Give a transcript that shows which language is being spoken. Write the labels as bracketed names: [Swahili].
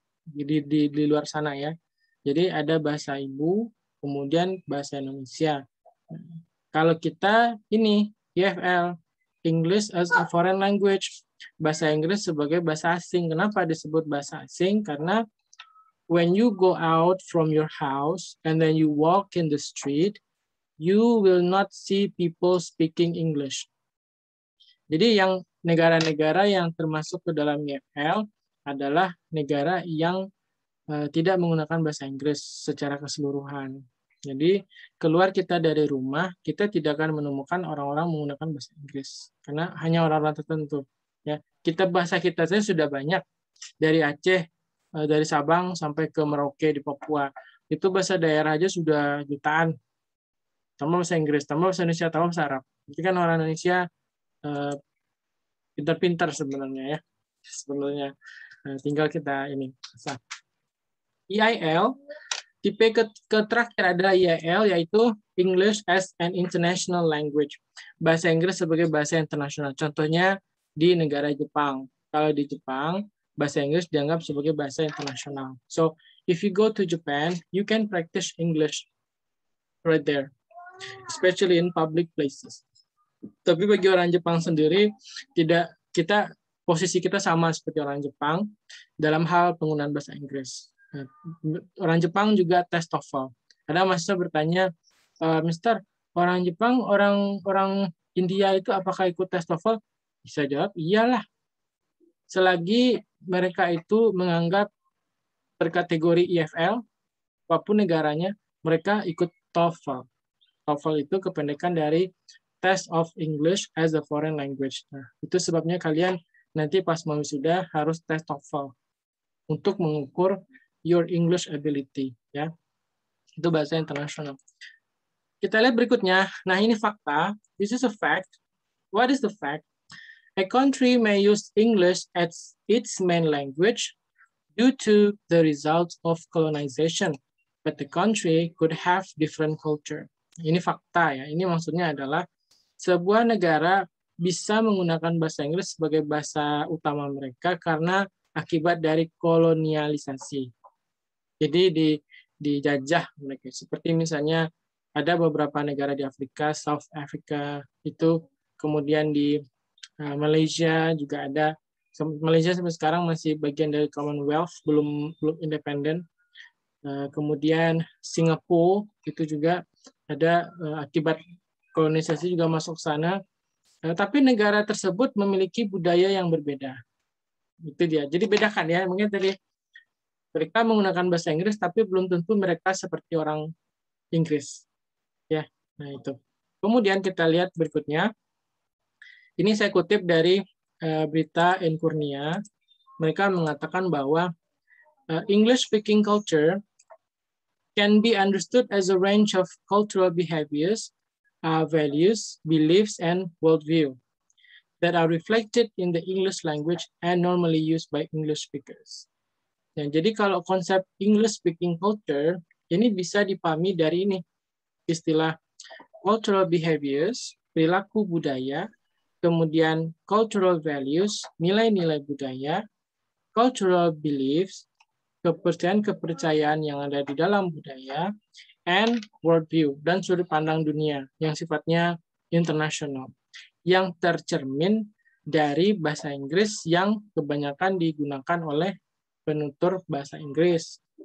[Indonesian] Jadi di luar sana ya. Jadi ada bahasa ibu, kemudian bahasa Indonesia. Kalau kita ini, EFL, [English] English as a foreign language, [Indonesian] bahasa Inggris sebagai bahasa asing. Kenapa disebut bahasa asing? [English] Karena when you go out from your house and then you walk in the street, you will not see people speaking English. [Indonesian] Jadi yang negara-negara yang termasuk ke dalam EFL adalah negara yang tidak menggunakan bahasa Inggris secara keseluruhan. Jadi keluar kita dari rumah, kita tidak akan menemukan orang-orang menggunakan bahasa Inggris karena hanya orang-orang tertentu. Ya, kita bahasa kita saja sudah banyak dari Aceh, dari Sabang sampai ke Merauke di Papua. Itu bahasa daerah aja sudah jutaan. Tambah bahasa Inggris, tambah bahasa Indonesia, tambah bahasa Arab. Jadi kan orang Indonesia pintar-pintar sebenarnya ya. Sebenarnya tinggal kita ini. EIL, tipe ke terakhir ada EIL, yaitu [English] English as an International Language. [Indonesian] Bahasa Inggris sebagai bahasa internasional. Contohnya di negara Jepang. Kalau di Jepang, bahasa Inggris dianggap sebagai bahasa internasional. [English] So, if you go to Japan, you can practice English right there. Especially in public places. [Indonesian] Tapi bagi orang Jepang sendiri, tidak kita posisi kita sama seperti orang Jepang dalam hal penggunaan bahasa Inggris. Orang Jepang juga tes TOEFL. Ada mahasiswa bertanya, Mister, orang Jepang, orang India itu apakah ikut tes TOEFL? Bisa jawab, iyalah. Selagi mereka itu menganggap terkategori EFL, apapun negaranya, mereka ikut TOEFL. TOEFL itu kependekan dari Test of English as a Foreign Language. Nah, itu sebabnya kalian nanti pas mau wisuda harus tes TOEFL untuk mengukur [English] your English ability, [Indonesian] ya. Itu bahasa internasional. Kita lihat berikutnya. Nah, ini fakta. [English] This is a fact. What is the fact? A country may use English as its main language due to the results of colonization, but the country could have different culture. [Indonesian] Ini fakta ya. Ini maksudnya adalah sebuah negara bisa menggunakan bahasa Inggris sebagai bahasa utama mereka karena akibat dari kolonialisasi. Jadi dijajah mereka. Seperti misalnya ada beberapa negara di Afrika, South Africa itu, kemudian di Malaysia juga ada. Malaysia sampai sekarang masih bagian dari Commonwealth, belum independen. Kemudian Singapura itu juga ada akibat kolonisasi juga masuk sana. Tapi negara tersebut memiliki budaya yang berbeda. Itu dia. Jadi bedakan ya. Mungkin tadi mereka menggunakan bahasa Inggris, tapi belum tentu mereka seperti orang Inggris. Ya, nah itu. Kemudian kita lihat berikutnya. Ini saya kutip dari berita Enkurnia. Mereka mengatakan bahwa [English] English speaking culture can be understood as a range of cultural behaviors, values, beliefs, and worldview that are reflected in the English language and normally used by English speakers. [Indonesian] Nah, jadi kalau konsep English speaking culture ini bisa dipahami dari ini istilah cultural behaviors, perilaku budaya, kemudian cultural values, nilai-nilai budaya, cultural beliefs, kepercayaan-kepercayaan yang ada di dalam budaya, and worldview, dan sudut pandang dunia yang sifatnya internasional, yang tercermin dari bahasa Inggris yang kebanyakan digunakan oleh penutur bahasa Inggris.